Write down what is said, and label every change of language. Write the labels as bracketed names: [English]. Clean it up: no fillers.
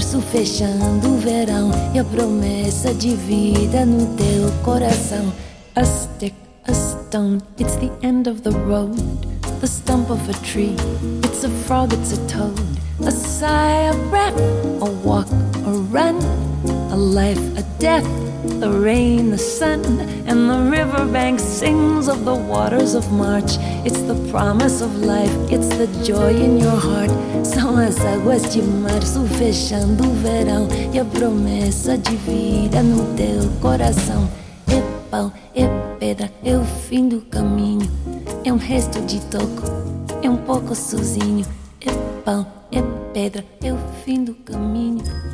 [Portuguese] Fechando o verão e a promessa de vida no teu coração. [English] A stick, a stone, it's the end of the road. The stump of a tree, it's a frog, it's a toad. A sigh, a breath, a walk, a run. A life, a death, the rain, the sun. And the riverbank sings of the waters of March. It's the promise of life, it's the joy in your heart. [Portuguese] São as águas de março fechando o verão e a promessa de vida no teu coração. É pão, é pedra, é o fim do caminho. É um resto de toco, é um pouco sozinho. É pão, é pedra, é o fim do caminho.